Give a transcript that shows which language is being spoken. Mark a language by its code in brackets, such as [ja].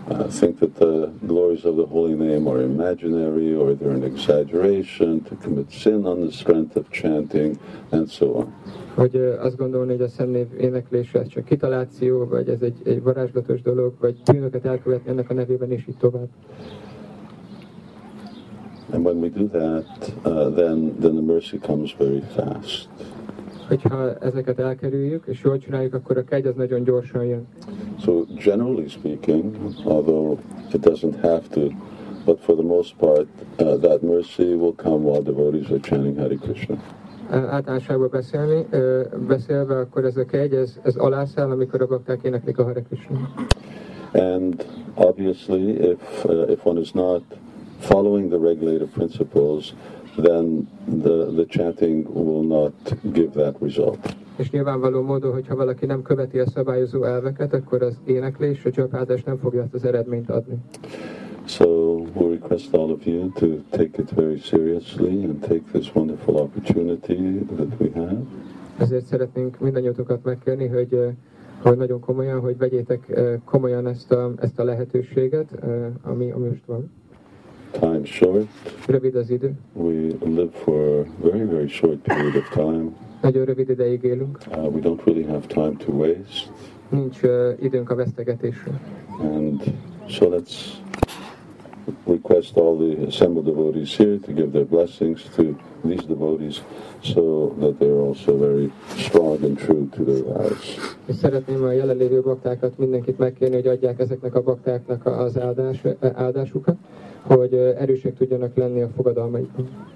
[en] Think that the glories of the holy name are imaginary, or they're an exaggeration, to commit sin on the strength of chanting, and so on. [hu] Hogy azt gondolni, hogy a szent név éneklése csak kitaláció, vagy ez egy varázslatos dolog, vagy bűnöket elkövetni ennek a nevében, és így tovább. [en] And when we do that, then the mercy comes very fast. [hu] Hogyha ezeket elkerüljük, és jól csináljuk, akkor a kegy az nagyon gyorsan jön. [en] So generally speaking, although it doesn't have to, but for the most part, that mercy will come while devotees are chanting Hare Krishna. [hu] Általánosságban beszélve, akkor ez a kegy, ez alászáll, amikor a bakták éneklik a Hare Krishna. [en] And obviously, if one is not following the regulative principles, then the chanting will not give that result. [hu] És nyilvánvaló módon, hogyha valaki nem követi a szabályozó elveket, akkor az éneklés, a csapázás nem fogja ezt az eredményt adni. [en] So we request all of you to take it very seriously and take this wonderful opportunity that we have. [hu] Ezért szeretnénk mindannyiótokat megkérni, hogy nagyon komolyan, hogy vegyétek komolyan ezt a lehetőséget, ami most van. [en] Time short. [hu] Rövid az idő. [en] We live for a very, very short period of time. [hu] Nagyon rövid ideig élünk. [en] We don't really have time to waste. [hu] Nincs időnk a vesztegetésre. [en] And so let's request all the assembled devotees here to give their blessings to these devotees so that they're also very strong and true to their vows. [hu] És szeretném a jelenlévő baktákat, mindenkit megkérni, hogy adják ezeknek a baktáknak az áldásukat, hogy erősek tudjanak lenni a fogadalmaikban.